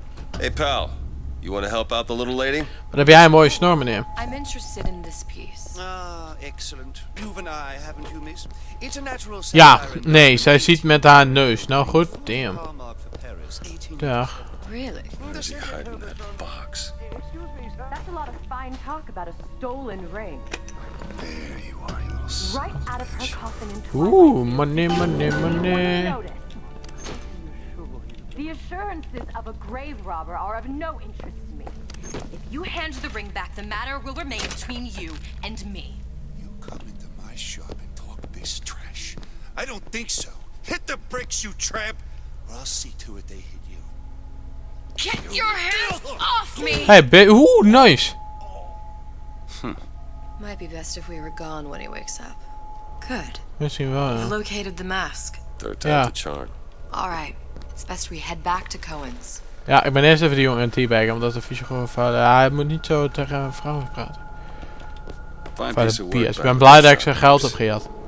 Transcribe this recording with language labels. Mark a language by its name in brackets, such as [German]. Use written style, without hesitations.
[English] Hey pal, you want to help out the little lady? [Dutch] Wat heb jij een mooie snor, meneer? [English] I'm interested in this piece. Excellent. You've an eye, haven't you, miss? It's a natural. [Dutch] Ja, nee, zij ziet met haar neus. Nou goed, damn. Dag. [English] Really? Where is he hiding that box? That's a lot of fine talk about a stolen ring. There you are, you little son. Right out of her coffin in 20. Ooh, money, money, money. The assurances of a grave robber are of no interest to me. If you hand the ring back, the matter will remain between you and me. Come into my shop and talk this trash. I don't think so. Hit the bricks, you tramp, or I'll see to it they hit you. Get your hands off me! Hey, ooh, nice! Might be best if we were gone when he wakes up. Good. Missing well, yeah. Located the mask. Third time to charm. Alright, it's best we head back to Cohen's. [Dutch] Ja, ik ben eerst even die jongen in teabaggen, omdat de fiche gewoon fout. Hij moet niet zo tegen vrouwen praten. Ik ben blij dat ik zijn geld heb gehad.